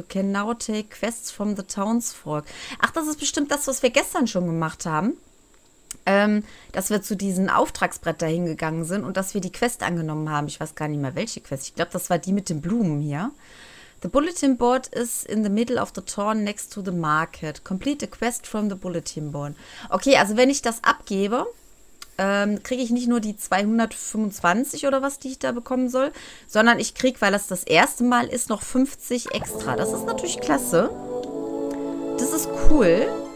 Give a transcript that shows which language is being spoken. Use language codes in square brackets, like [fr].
[en] You can now take quests from the Townsfolk. [de] Ach, das ist bestimmt das, was wir gestern schon gemacht haben. Dass wir zu diesen Auftragsbrettern hingegangen sind und dass wir die Quest angenommen haben. Ich weiß gar nicht mehr, welche Quest. Ich glaube, das war die mit den Blumen hier. [en] The Bulletin Board is in the middle of the town next to the market. Complete the quest from the Bulletin Board. [de] Okay, also wenn ich das abgebe, kriege ich nicht nur die 225 oder was, die ich da bekommen soll, sondern ich kriege, weil das das erste Mal ist, noch 50 extra. Das ist natürlich klasse. Das ist cool.